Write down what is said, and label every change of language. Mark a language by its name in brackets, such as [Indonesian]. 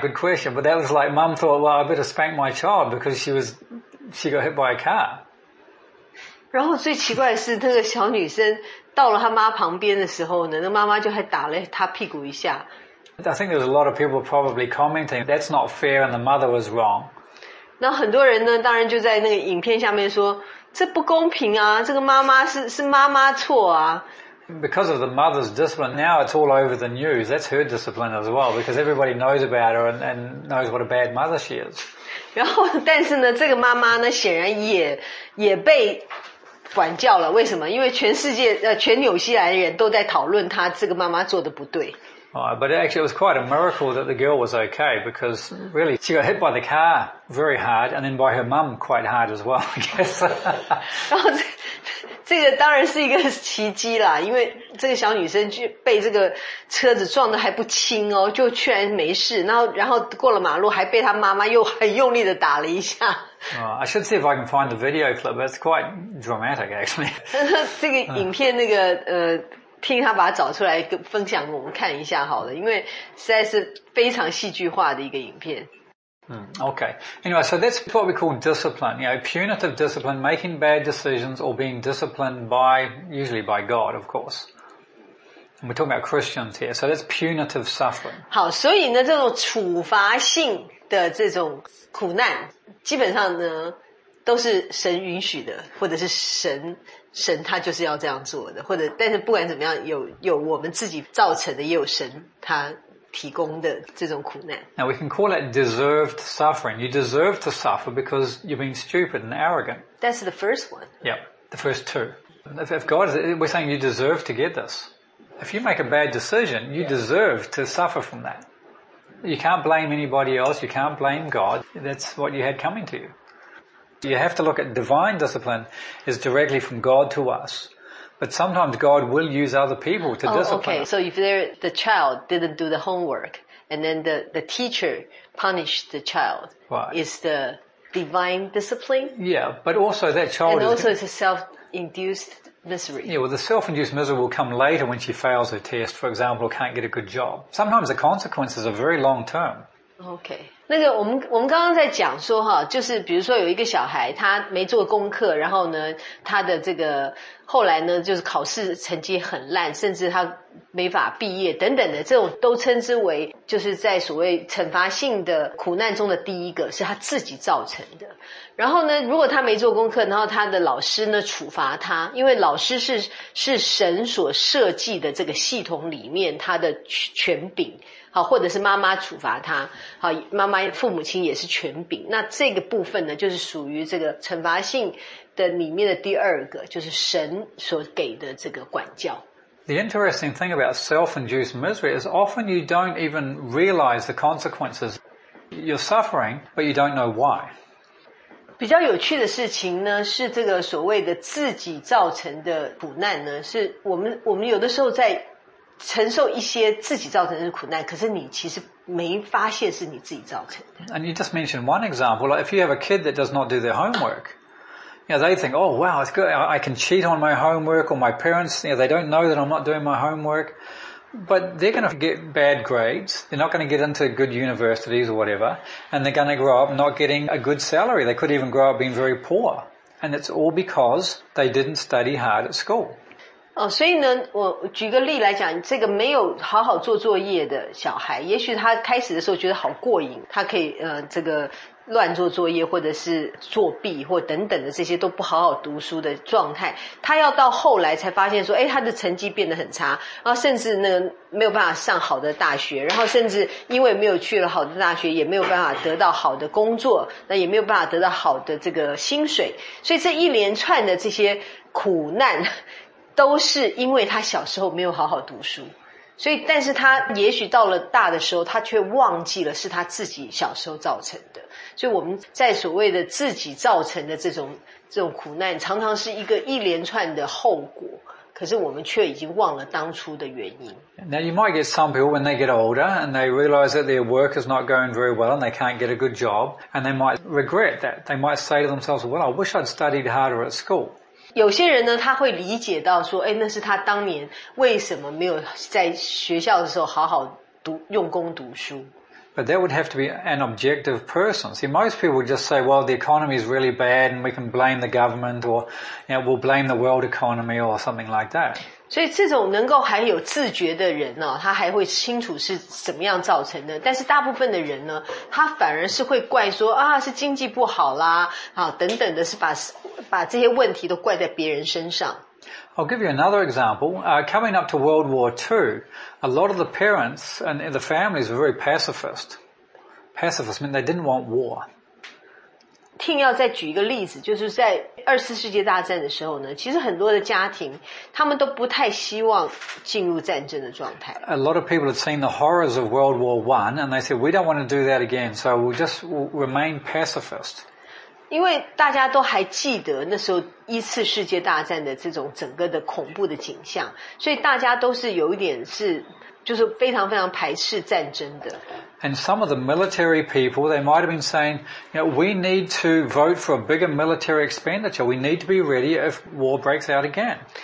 [English] Good question but that was like mum thought well I better spank my child because she got hit by a car [Chinese] 然后最奇怪的是，那个小女生到了她妈旁边的时候呢，那妈妈就还打了她屁股一下。 [English] I think there's a lot of people probably commenting that's not fair and the mother was wrong. [Chinese] 那很多人呢，当然就在那个影片下面说，这不公平啊，这个妈妈是妈妈错啊。 [English] Because of the mother's discipline, now it's all over the news. That's her discipline as well, because everybody knows about her and knows what a bad mother she is. [Chinese] 然后，但是呢，这个妈妈呢，显然也被管教了。为什么？因为全世界全纽西兰人都在讨论她这个妈妈做的不对。 [English] But actually, it was quite a miracle that the girl was okay, because really, she got hit by the car very hard, and then by her mum quite hard as well, I guess. [Chinese] 然后这个当然是一个奇迹啦，因为这个小女生就被这个车子撞得还不轻哦，就居然没事。然后过了马路还被她妈妈又很用力的打了一下。 [English] I should see if I can find the video clip. It's quite dramatic, actually. [Chinese] 这个影片那个听他把它找出来分享给我们看一下好了，因为实在是非常戏剧化的一个影片。 [English] Okay. Anyway, so that's what we call discipline. You know, punitive discipline, making bad decisions or being disciplined by, usually by God, of course. And we're talking about Christians here, so that's punitive suffering. [Chinese] 好，所以呢，这种处罚性的这种苦难，基本上呢，都是神允许的，或者是神他就是要这样做的，或者但是不管怎么样，有我们自己造成的，也有神他提供的这种苦难。 [English] Now we can call that deserved suffering. You deserve to suffer because you've been stupid and arrogant. That's the first one. Yep. the first two. If God is, we're saying you deserve to get this. If you make a bad decision, you deserve to suffer from that. You can't blame anybody else. You can't blame God. That's what you had coming to you. You have to look at divine discipline is directly from God to us. But sometimes God will use other people to discipline. Okay. So if the child didn't do the homework and then the teacher punished the child, is the divine discipline? Yeah, but also that child And also it's a self-induced misery. Yeah, well, the self-induced misery will come later when she fails her test, for example, or can't get a good job. Sometimes the consequences are very long-term. Okay. [Chinese] 那个我们刚刚在讲说哈，就是比如说有一个小孩他没做功课，然后呢他的这个后来呢就是考试成绩很烂，甚至他没法毕业等等的，这种都称之为就是在所谓惩罚性的苦难中的第一个是他自己造成的。然后呢如果他没做功课，然后他的老师呢处罚他，因为老师是神所设计的这个系统里面他的权柄，好，或者是妈妈处罚他，好，妈妈父母亲也是权柄，那这个部分呢就是属于这个惩罚性的里面的第二个，就是神所给的这个管教。 [English] The interesting thing about self-induced misery is often you don't even realize the consequences. You're suffering, but you don't know why. [Chinese] 比较有趣的事情呢是这个所谓的自己造成的苦难呢，是我们有的时候在承受一些自己造成的苦难，可是你其实没发现是你自己造成的。 [English] And you just mentioned one example. Like if you have a kid that does not do their homework, you know, they think, oh wow, it's good. I can cheat on my homework, or my parents, you know, they don't know that I'm not doing my homework. But they're going to get bad grades. They're not going to get into good universities or whatever. And they're going to grow up not getting a good salary. They could even grow up being very poor. And it's all because they didn't study hard at school. [Chinese] 哦、所以呢我举个例来讲，这个没有好好做作业的小孩，也许他开始的时候觉得好过瘾，他可以这个乱做作业或者是作弊或等等的这些都不好好读书的状态，他要到后来才发现说诶他的成绩变得很差，然后甚至呢没有办法上好的大学，然后甚至因为没有去了好的大学也没有办法得到好的工作，那也没有办法得到好的这个薪水，所以这一连串的这些苦难都是因为他小时候没有好好读书，所以但是他也许到了大的时候他却忘记了是他自己小时候造成的，所以我们在所谓的自己造成的这种苦难常常是一个一连串的后果，可是我们却已经忘了当初的原因。 [English] Now you might get some people when they get older and they realize that their work is not going very well and they can't get a good job and they might regret that. They might say to themselves, well, I wish I'd studied harder at school. [Chinese] 有些人呢他会理解到说诶那是他当年为什么没有在学校的时候好好读用功读书。 [English] But that would have to be an objective person. See, most people would just say, well, the economy is really bad and we can blame the government or, you know, we'll blame the world economy or something like that. [Chinese] 所以这种能够还有自觉的人呢、啊、他还会清楚是怎么样造成的。但是大部分的人呢他反而是会怪说啊是经济不好啦啊等等的，是把这些问题都怪在别人身上。 [English] I'll give you another example. Coming up to World War II, a lot of the parents and the families were very pacifist. Pacifist meant they didn't want war. [Chinese] 听要再举一个例子，就是在二次世界大战的时候呢，其实很多的家庭他们都不太希望进入战争的状态。 [English] A lot of people had seen the horrors of World War I and they said, we don't want to do that again, so we'll just remain pacifist. [Chinese] 因为大家都还记得那时候一次世界大战的这种整个的恐怖的景象，所以大家都是有一点是就是非常非常排斥战争的。 [English] And some of the military people, they might have been saying, you know, we need to vote for a bigger military expenditure. We need to be ready if war breaks out again.